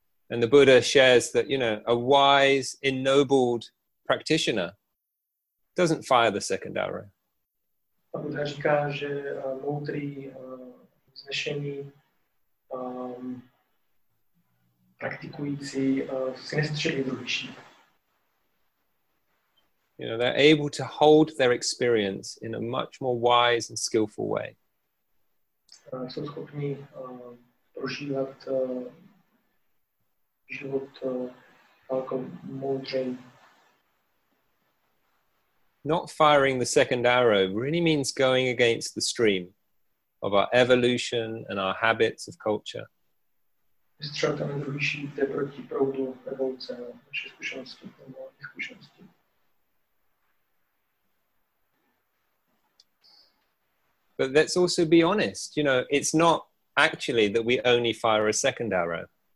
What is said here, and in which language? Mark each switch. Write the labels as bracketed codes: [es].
[en] And the Buddha shares that, you know, a wise, ennobled practitioner doesn't fire the second arrow. [cs] A Buddha říká, že moudrý, vznešený praktikující si nestřílí druhý šíp. [en] You know, they're able to hold their experience in a much more wise and skillful way. [cs] Jsou schopni prožívat život jako moudřej. [en] Not firing the second arrow really means going against the stream of our evolution and our habits of culture. [cs] Střelit na druhý šíp jde proti proudu evoluce, naše zkušenosti, nebo zkušenosti. [en] But let's also be honest, you know, it's not actually that we only fire a second arrow.